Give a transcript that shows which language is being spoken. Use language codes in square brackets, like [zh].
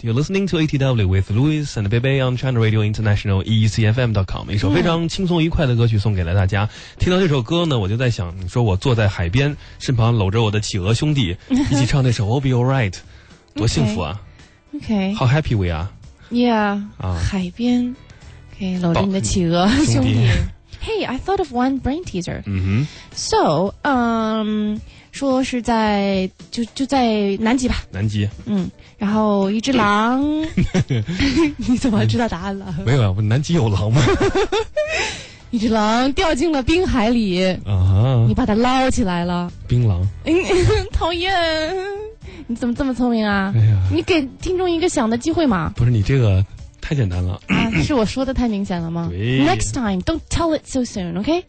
[en] You're listening to ATW with Louis and Bebe on China Radio International EECFM.com. [zh] 一首非常轻松愉快的歌曲送给了大家。听到这首歌呢，我就在想，你说我坐在海边，身旁搂着我的企鹅兄弟，一起唱那首 We'll be alright， 多幸福啊！ [en] OK， How happy we are！ Yeah，、 [zh] 啊、海边 ，OK， 搂着你的企鹅兄弟。 [en] Hey, I thought of one brain teaser. [zh] So, 说是在就在南极吧。南极。嗯，然后一只狼。你怎么知道答案了？没有啊，南极有狼吗？一只狼掉进了冰海里。啊、你把它捞起来了。冰狼。讨厌！你怎么这么聪明啊？哎呀，你给听众一个想的机会嘛。不是你这个。太简单了、是我说的太明显了吗？对 [en] Next time, don't tell it so soon, okay?